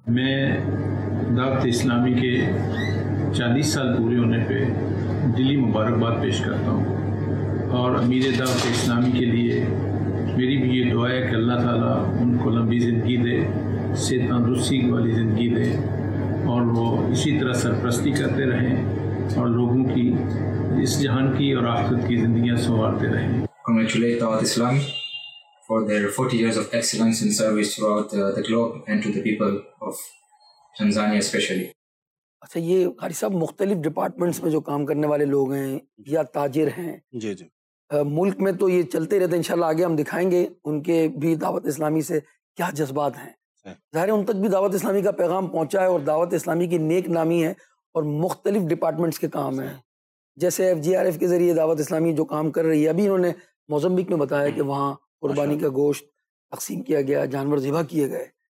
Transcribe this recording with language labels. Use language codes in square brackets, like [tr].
[ur] میں دعوت اسلامی کے 40 سال پورے ہونے پہ دلی مبارکباد پیش کرتا ہوں, اور امیر دعوت اسلامی کے لیے میری بھی یہ دعا ہے کہ اللہ تعالیٰ ان کو لمبی زندگی دے, صحت تندرستی والی زندگی دے, اور وہ اسی طرح سرپرستی کرتے رہیں اور لوگوں کی اس جہان کی اور آخرت کی زندگیاں سنوارتے رہیں. [en] Congratulate Dawat Islami for their 40 years of excellence in service throughout the globe and to the people of Tanzania especially. [ur] اچھا یہ قاری صاحب, مختلف ڈپارٹمنٹس میں جو کام کرنے والے لوگ ہیں یا تاجر ہیں, جی جی, ملک میں تو یہ چلتے رہتے ہیں, انشاءاللہ آگے ہم دکھائیں گے ان کے بھی دعوت اسلامی سے کیا جذبات ہیں. ظاہر ہے ان تک بھی دعوت اسلامی کا پیغام پہنچا ہے اور دعوت اسلامی کی نیک نامی ہے اور مختلف ڈپارٹمنٹس کے کام ہیں, جیسے ایف جی آر ایف کے ذریعے دعوت اسلامی جو کام کر رہی ہے, ابھی انہوں نے موزمبیک میں بتایا کہ وہاں قربانی کا گوشت تقسیم کیا گیا, جانور ذبح کیے گئے,